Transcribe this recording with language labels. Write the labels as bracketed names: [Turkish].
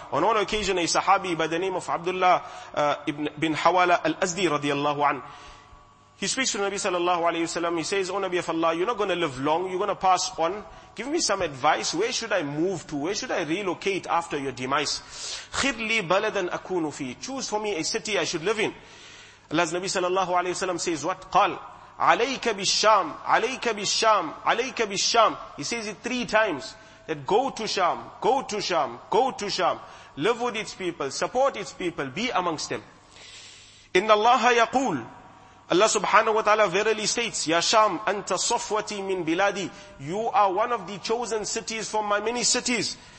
[English] On one occasion, a sahabi by the name of Abdullah ibn Hawala al-Azdi radiallahu anhu, he speaks to Nabi sallallahu alayhi wa sallam. He says, O Nabi of Allah, you're not going to live long, you're going to pass on. Give me some advice. Where should I move to? Where should I relocate after your demise? [Arabic] خِرْ لِي بَلَدًا أَكُونُ فِيهِ. [English] Choose for me a city I should live in. Allah's Nabi sallallahu alayhi wa sallam says, what? [Arabic] قَال عَلَيْكَ بِالشَّامِ عَلَيْكَ بِالشَّامِ عَلَيْكَ بِالشَّامِ. [English] He says it three times. That go to Sham, go to Sham, go to Sham. Live with its people, support its people, be amongst them. [Arabic] إِنَّ اللَّهَ يَقُولُ. Allah subhanahu wa ta'ala [English] verily states, [Arabic] Ya Sham, anta safwati min biladi. [English] You are one of the chosen cities from my many cities.